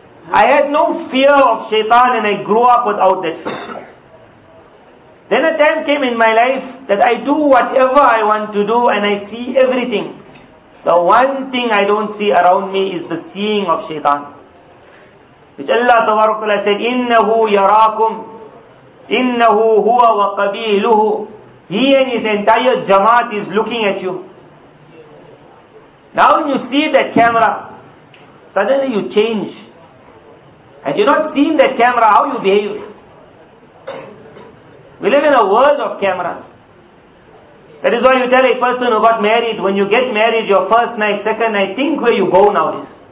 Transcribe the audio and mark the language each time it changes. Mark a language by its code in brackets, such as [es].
[en] I had no fear of shaitan and I grew up without that fear. Then a time came in my life that I do whatever I want to do and I see everything. The one thing I don't see around me is the seeing of shaitan. which Allah Tabarakallah said, [ar] إِنَّهُ يَرَاكُمْ إِنَّهُ هُوَ وَقَبِيلُهُ. [en] He and his entire jamaat is looking at you. Now when you see that camera, suddenly you change. Had you not seen that camera, how you behave? We live in a world of cameras. That is why you tell a person who got married, when you get married your first night, second night, think where you go nowadays.